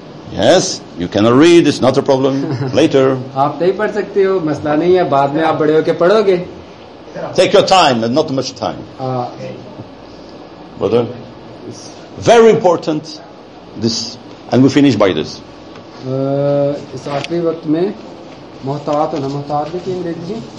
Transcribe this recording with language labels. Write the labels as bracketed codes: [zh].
[en] Yes, you cannot read, it's not a problem. Later. [ur] آپ نہیں پڑھ سکتے ہو, مسئلہ نہیں ہے, بعد میں آپ بڑے ہو کے پڑھو گے. [en] Take your time, not much time. Brother, very important this, and we finish by this. [ur] اس آخری وقت میں محتاط اور نامحتاط بھی کہیں دیکھ لیجیے.